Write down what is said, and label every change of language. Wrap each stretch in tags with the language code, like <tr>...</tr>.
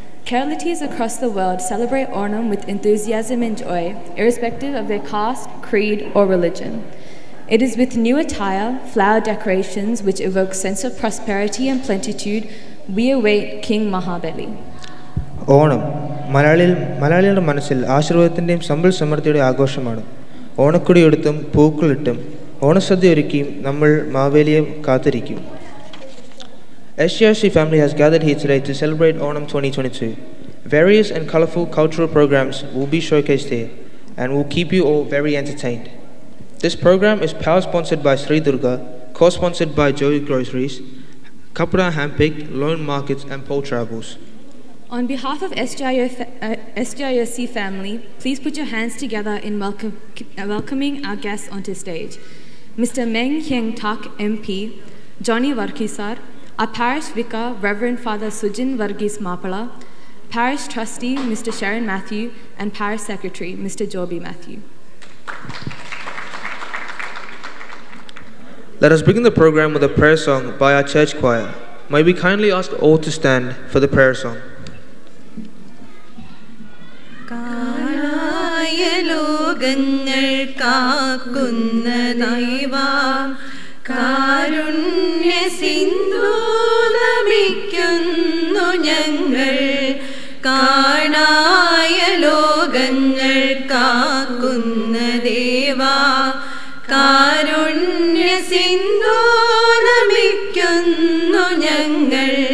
<en>Keralites across the world celebrate Onam with enthusiasm and joy, irrespective of their caste, creed, or religion. It is with new attire, flower decorations, which evoke sense of prosperity and plentitude, we await King Mahabali.</en> <ml>Onam മലയാളിയിൽ മലയാളികളുടെ മനസ്സിൽ ആശീർവാദത്തിൻ്റെയും സമ്പൽ സമൃദ്ധിയുടെയും ആഘോഷമാണ്. ഓണക്കൊടിയെടുത്തും പൂക്കളിട്ടും ഓണസദ്യ ഒരുക്കിയും നമ്മൾ മാവേലിയെ കാത്തിരിക്കും.</ml> <en>SGIOC family has gathered here today to celebrate Onam 2022. Various and colorful cultural programs will be showcased here and will keep you all very entertained. This program is power sponsored by Sri Durga, co-sponsored by Joy Groceries, Kapura Handpick, Loan Markets and Paul Travels. On behalf of SGIOC family, please put your hands together in welcoming our guests onto stage. Mr. Meng Heang Tak MP, Johny Varkey Sir, our Parish Vicar, Reverend Father Sujin Varghese Mapala, Parish Trustee, Mr. Sharon Matthew, and Parish Secretary, Mr. Joby Matthew. Let us begin the program with a prayer song by our church choir. May we kindly ask all to stand for the prayer song.</en> <ml>കാണായ ലോകങ്ങൾ കാക്കുന്ന ദൈവാ കാരുണ്യ സിന്ധു നമിക്കുന്നു ഞങ്ങൾ. കാണായ ലോകങ്ങൾ കാക്കുന്ന ദൈവാ കാരുണ്യ സിന്ധു നമിക്കുന്നു ഞങ്ങൾ.</ml>